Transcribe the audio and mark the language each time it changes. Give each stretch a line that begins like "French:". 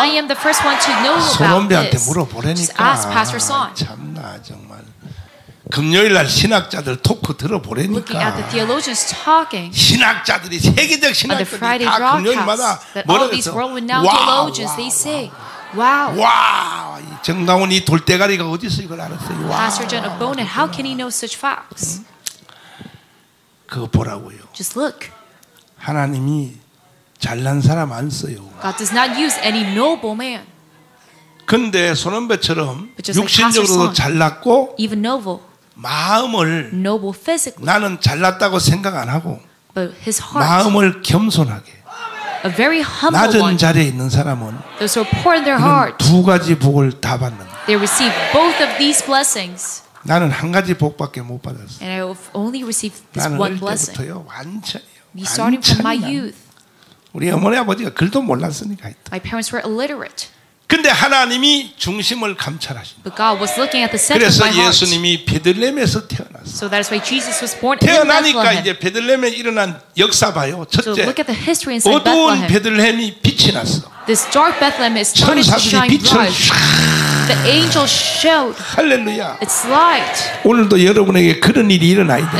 English: I am the first one to know about this. Just ask Pastor Son. Just ask Pastor Son.
Korean: 참나 정말. 금요일 날 신학자들 토크 들어보라니까.
English: Looking at the theologians talking.
Korean: 신학자들이 세계적 신학자들이 다 금요일마다 뭐라고 했어?
English: All these world-renowned theologians, they say. Wow.
Korean: 와, 이 정다운 이 돌대가리가 어디서 이걸 알았어요?
English: Pastor John of Bonnet, how can he know such facts?
Korean: 그거 보라고요.
English: Just look.
Korean: 하나님이 잘난 사람 안 써요.
English: God does not use any noble man.
Korean: 근데 손은배처럼 육신적으로도 잘났고
English: even noble,
Korean: 마음을
English: noble physically,
Korean: 나는 잘났다고 생각 안 하고
English: but his heart,
Korean: 마음을 겸손하게
English: a very humble
Korean: 낮은 자리에 있는 사람은
English: those who are poor in their heart,
Korean: 두 가지 복을 다 받는
English: they receive both of these blessings.
Korean: 나는 한 가지 복밖에 못 받았어.
English: And I only received this one blessing.
Korean: 나는 어릴때부터요 완전히요.
English: Be starting from my youth.
Korean: 우리 어머니 아버지가 글도 몰랐으니까.
English: My parents were illiterate.
Korean: 근데 하나님이 중심을 감찰하신다.
English: But God was looking at the center of my heart.
Korean: 그래서 예수님이 베들레헴에서 태어났어.
English: So that's why Jesus was born in Bethlehem.
Korean: 태어나니까 이제 베들레헴에 일어난 역사 봐요. 첫째.
English: So look at the history inside Bethlehem.
Korean: 어두운 베들레헴이 빛이 났어.
English: This dark Bethlehem is starting to shine bright. The angel showed. Hallelujah. It's light.
Korean: 오늘도 여러분에게 그런 일이 일어나야 돼.